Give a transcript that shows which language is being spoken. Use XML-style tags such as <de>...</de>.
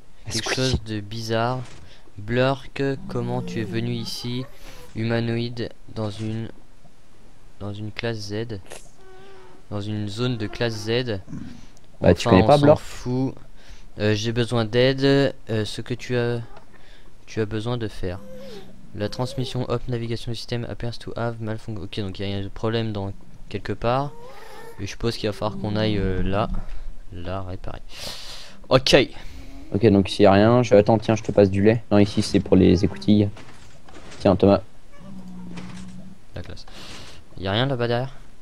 <fr>Quelque chose de bizarre. Blurk, comment tu es venu ici? Humanoïde dans une classe Z. Dans une zone de classe Z. Bah enfin, tu connais pas Blurk. J'ai besoin d'aide. Ce que tu as besoin de faire. La transmission</fr> <en>Hop Navigation System appears to have malfunction.</en> <fr>Ok, donc il y a un problème dans quelque part. Et je suppose qu'il va falloir qu'on aille là réparer. Ok. Ok, donc s'il y a rien, attends, tiens, je te passe du lait. Non, ici c'est pour les écoutilles. Tiens, Thomas. La classe. Y a rien là-bas derrière?</fr>